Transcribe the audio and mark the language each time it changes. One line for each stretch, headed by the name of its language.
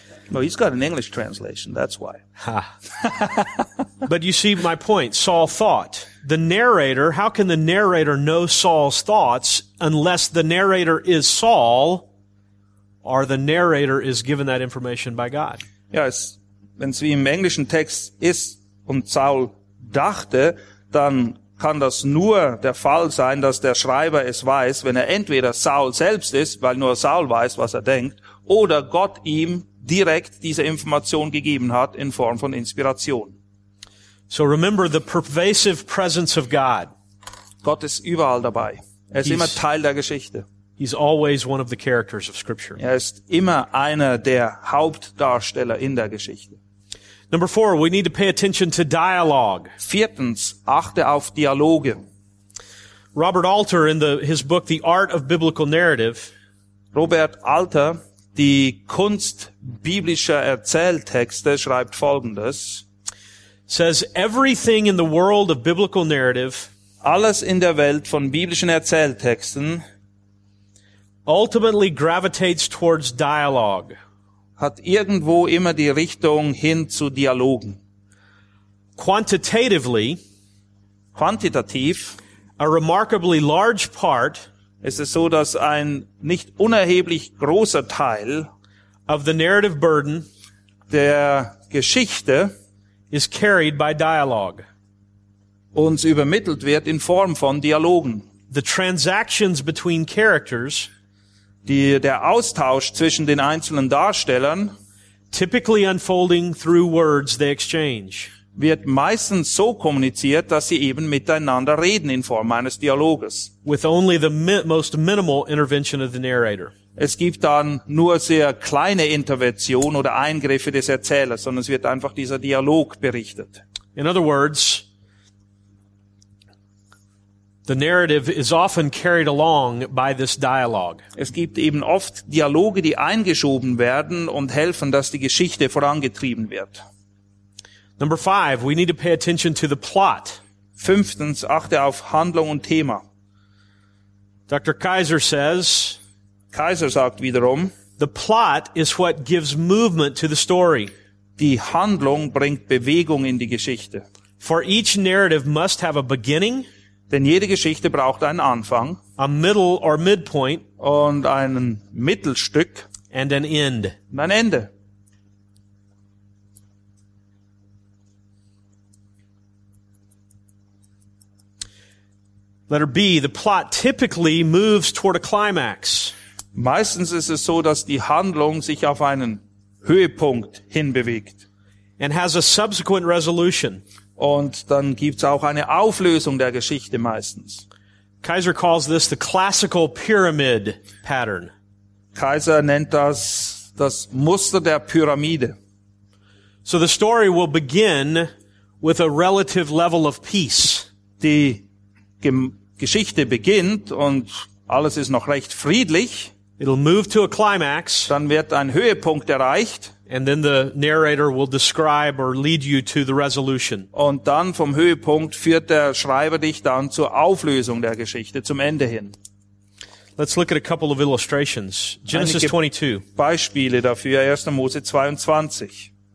English: Well, he's got an English translation, that's why. But you see my point. Saul thought. The narrator, how can the narrator know Saul's thoughts unless the narrator is Saul or the narrator is given that information by God? Yes.
German: Wenn es wie im englischen Text ist und Saul dachte, dann kann das nur der Fall sein, dass der Schreiber es weiß, wenn er entweder Saul selbst ist, weil nur Saul weiß, was er denkt, oder Gott ihm direkt diese Information gegeben hat in Form von Inspiration.
English: So remember the pervasive presence of God.
German: Gott ist überall dabei. Er ist immer Teil der Geschichte.
English: He's always one of the characters of Scripture.
German: Er ist immer einer der Hauptdarsteller in der Geschichte.
English: Number four, we need to pay attention to dialogue.
German: Viertens, achte auf Dialoge.
English: Robert Alter in his book The Art of Biblical Narrative,
German: Robert Alter, die Kunst biblischer Erzähltexte, schreibt Folgendes.
English: Says everything in the world of biblical narrative,
German: alles in der Welt von biblischen Erzähltexten,
English: ultimately gravitates towards dialogue.
German: Hat irgendwo immer die Richtung hin zu Dialogen.
English: Quantitatively,
German: quantitativ,
English: a remarkably large part,
German: ist es so, dass ein nicht unerheblich großer Teil
English: of the narrative burden
German: der Geschichte
English: is carried by dialogue.
German: Uns übermittelt wird in Form von Dialogen.
English: The transactions between characters,
German: der Austausch zwischen den einzelnen Darstellern,
English: typically unfolding through words they exchange,
German: wird meistens so kommuniziert, dass sie eben miteinander reden in Form eines Dialoges.
English: With only the most minimal intervention of the narrator.
German: Es gibt dann nur sehr kleine Interventionen oder Eingriffe des Erzählers, sondern es wird einfach dieser Dialog berichtet.
English: In other words, the narrative is often carried along by this dialogue.
German: Es gibt eben oft Dialoge, die eingeschoben werden und helfen, dass die Geschichte vorangetrieben wird.
English: Number 5, we need to pay attention to the plot.
German: Fünftens, achte auf Handlung und Thema.
English: Dr. Kaiser says,
German: Kaiser sagt wiederum,
English: the plot is what gives movement to the story.
German: Die Handlung bringt Bewegung in die Geschichte.
English: For each narrative must have a beginning.
German: Denn jede Geschichte braucht einen Anfang,
English: a middle or midpoint,
German: und einen Mittelstück,
English: and an end,
German: und ein Ende.
English: Letter B, the plot typically moves toward a climax.
German: Meistens ist es so, dass die Handlung sich auf einen Höhepunkt hinbewegt.
English: And has a subsequent resolution.
German: Und dann gibt's auch eine Auflösung der Geschichte meistens.
English: Kaiser calls this the classical pyramid pattern.
German: Kaiser nennt das das Muster der Pyramide.
English: So the story will begin with a relative level of peace.
German: Die Geschichte beginnt und alles ist noch recht friedlich.
English: It'll move to a climax.
German: Dann wird ein Höhepunkt erreicht.
English: And then the narrator will describe or lead you to the resolution.
German: Und dann vom Höhepunkt führt der Schreiber dich dann zur Auflösung der Geschichte, zum Ende hin.
English: Let's look at a couple of illustrations. Genesis 22.
German: Einige Beispiele dafür, 1. Mose 22.